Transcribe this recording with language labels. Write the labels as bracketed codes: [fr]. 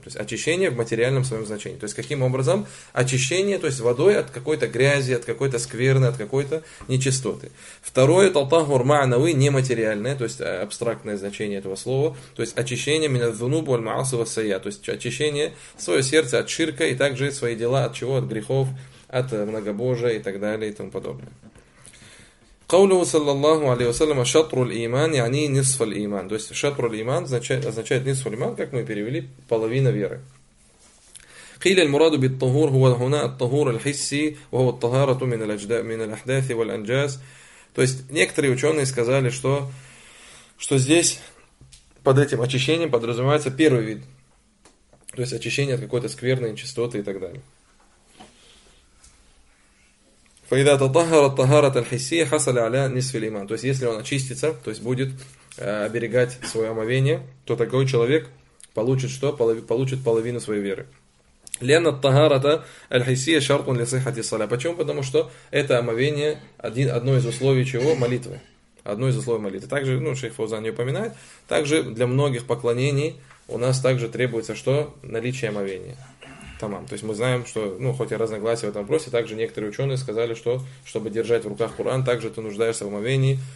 [ru] То есть очищение в материальном своем значении. То есть каким образом? Очищение, то есть водой от какой-то грязи, от какой-то скверны, от какой-то нечистоты. Второе ат-татахур ма'навы нематериальное, то есть абстрактное значение этого слова. То есть очищение [ar] мин аз-дунуб валь-мааси вас-сайя. [ru] То есть очищение свое сердце от ширка и также свои дела от чего? От грехов. От многобожия и так далее и тому подобное. [ar] قوله صلى الله عليه وسلم شطر الإيمان يعني نصف الإيمان. [ru] То есть [ar] شطر الإيمان [ru] означает [ar] نصف الإيمان, [ru] как мы перевели, половина веры. [ar] قيل المراد بالطهور هو هنا الطهور الحسي وهو الطهارة من الأجداد من الأحداث والأنجاز. [ru] То есть некоторые ученые сказали, что здесь под этим очищением подразумевается первый вид. То есть очищение от какой-то скверной нечистоты и так далее. [ar] فإذا تطهر الطهارة الحسية حصل على نصف الإيمان. [ru] То есть если он очистится, то есть будет оберегать свое омовение, то такой человек получит что? Получит половину своей веры. [ar] لأن الطهارة الحسية شرط لصحة الصلاة. [ru] Почему? Потому что это омовение одно из условий чего? Молитвы. Одно из условий молитвы. Также, ну, шейх Фаузан не упоминает, также для многих поклонений у нас также требуется что? Наличие омовения. Тамам. То есть мы знаем, что, ну, хоть и разногласия в этом вопросе, также некоторые ученые сказали, что чтобы держать в руках Куран, также ты нуждаешься в омовении.